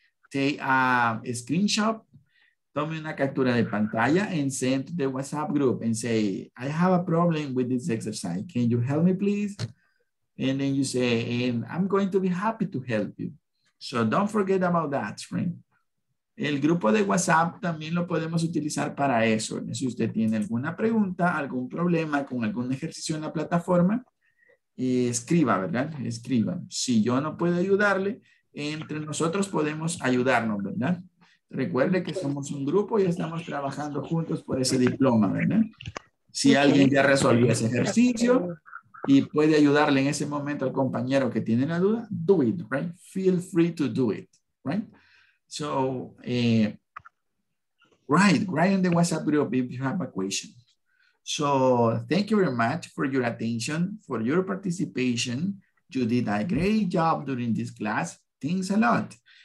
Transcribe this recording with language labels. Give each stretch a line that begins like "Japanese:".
English: Take a screenshot,
Spanish: tome una captura de pantalla
English: and send to the WhatsApp group and say, I have a problem with this exercise. Can you help me please? And then you say, and I'm going to be happy to help you. So don't forget about that, friend.
Spanish: El grupo de WhatsApp también lo podemos utilizar para eso. Si usted tiene alguna pregunta, algún problema con algún ejercicio en la plataforma, escriba, ¿verdad? Escriba. Si yo no puedo ayudarle, entre nosotros podemos ayudarnos, ¿verdad? Recuerde que somos un grupo y estamos trabajando juntos por ese diploma, ¿verdad? Si alguien ya resolvió ese ejercicio y puede ayudarle en ese momento al compañero que tiene la duda,
English: do it, right? Feel free to do it, right? So, write in the WhatsApp group if you have a question. So, thank you very much for your attention, for your participation. You did a great job during this class. Thanks a lot.